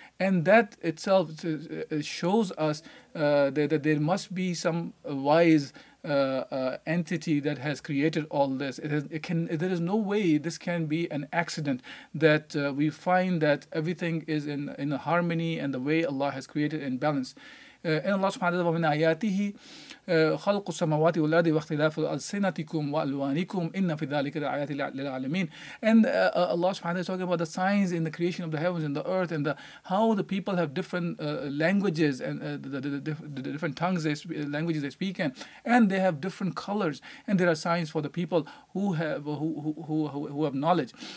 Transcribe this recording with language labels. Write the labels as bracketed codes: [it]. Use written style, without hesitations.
[en] And that itself shows us that there must be some wise entity that has created all this. There is no way this can be an accident, that we find that everything is in harmony and the way Allah has created in balance. [ar] إن الله سبحانه وتعالى من آياته خلق السماوات والأرض واختلاف ألسنتكم وألوانكم إن في ذلك لآيات للعالمين. [en] And Allah سبحانه وتعالى is talking about the signs in the creation of the heavens and the earth, and how the people have different languages and the different tongues, languages they speak in, and they have different colors, and there are signs for the people who have knowledge.